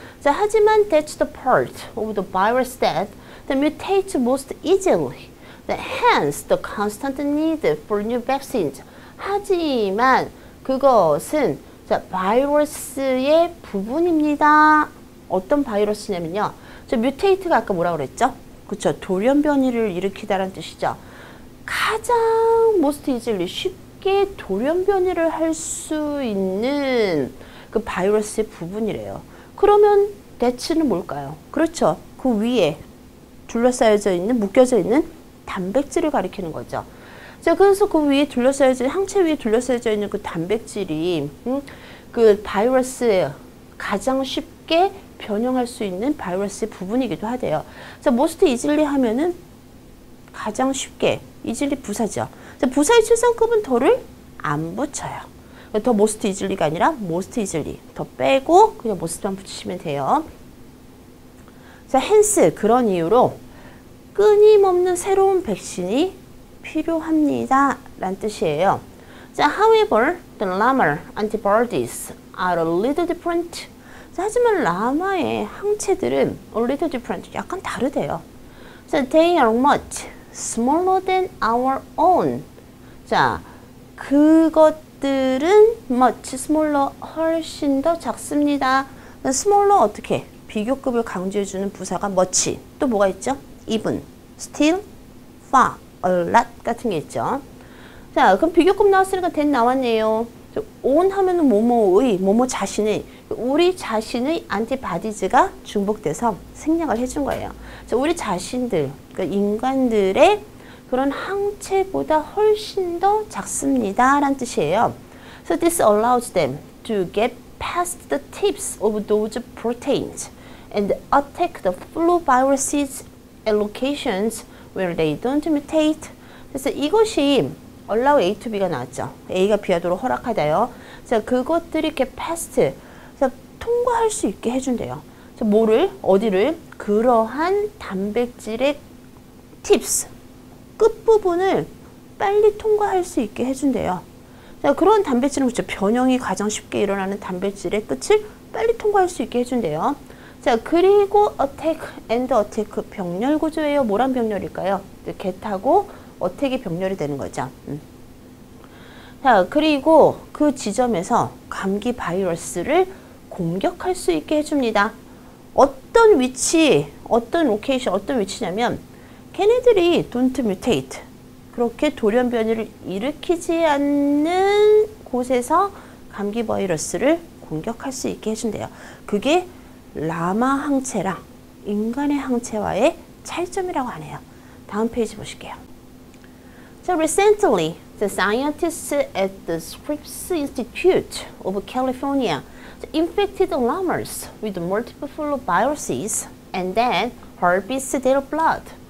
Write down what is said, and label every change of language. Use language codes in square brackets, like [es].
[ko] 자, 하지만 [en] that's the part of the virus that that mutates most easily. That hence the constant need for new vaccines. [ko] 하지만 그것은 자, 바이러스의 부분입니다. 어떤 바이러스냐면요. 자, mutate가 아까 뭐라고 그랬죠? 그렇죠. 돌연 변이를 일으키다라는 뜻이죠. 가장 most easily 쉽게 돌연 변이를 할 수 있는 그 바이러스의 부분이래요. 그러면 대체는 뭘까요? 그렇죠. 그 위에 둘러싸여져 있는, 묶여져 있는 단백질을 가리키는 거죠. 자, 그래서 그 위에 둘러싸여져 있는, 항체 위에 둘러싸여져 있는 그 단백질이 그 바이러스에 가장 쉽게 변형할 수 있는 바이러스의 부분이기도 하대요. 자, most easily 하면은 가장 쉽게, easily 부사죠. 자, 부사의 최상급은 더를 안 붙여요. 더 most easily가 아니라 most easily. 더 빼고 그냥 most만 붙이시면 돼요. 자, hence 그런 이유로 끊임없는 새로운 백신이 필요합니다. 라는 뜻이에요. [en] 자, however, the llama antibodies are a little different. [ko] 자, 하지만 라마의 항체들은 [en] a little different. [ko] 약간 다르대요. [en] 자, they are much smaller than our own. [ko] 자, 그것들은 [en] much smaller, [ko] 훨씬 더 작습니다. smaller 어떻게? 비교급을 강조해주는 부사가 much. 또 뭐가 있죠? even, still, far, a lot 같은 게 있죠. 자, 그럼 비교급 나왔으니까 then 나왔네요. on 하면은 뭐뭐의, 뭐뭐 자신의, 우리 자신의 안티바디즈가 중복돼서 생략을 해준 거예요. 자, 우리 자신들, 그러니까 인간들의 그런 항체보다 훨씬 더 작습니다. 라는 뜻이에요. [en] So this allows them to get past the tips of those proteins and attack the flu viruses at locations where they don't mutate. [ko] 그래서 이것이 allow A to B가 나왔죠. A가 B하도록 허락하다요. 자, 그것들이 이렇게 past, 자, 통과할 수 있게 해준대요. 자, 뭐를, 어디를? 그러한 단백질의 tips, 끝부분을 빨리 통과할 수 있게 해준대요. 자, 그런 단백질은 그렇죠. 변형이 가장 쉽게 일어나는 단백질의 끝을 빨리 통과할 수 있게 해준대요. 자, 그리고 attack and attack 병렬 구조예요. 뭐란 병렬일까요? get하고 attack이 병렬이 되는 거죠. 자, 그리고 그 지점에서 감기 바이러스를 공격할 수 있게 해줍니다. 어떤 위치, 어떤 로케이션, 어떤 위치냐면 걔네들이 [en] don't mutate, [ko] 그렇게 돌연 변이를 일으키지 않는 곳에서 감기 바이러스를 공격할 수 있게 해준대요. 그게 라마 항체랑 인간의 항체와의 차이점이라고 하네요. 다음 페이지 보실게요. [en] So recently, the scientists at the Scripps Institute of California infected llamas with multiple flu viruses and then harvested their blood.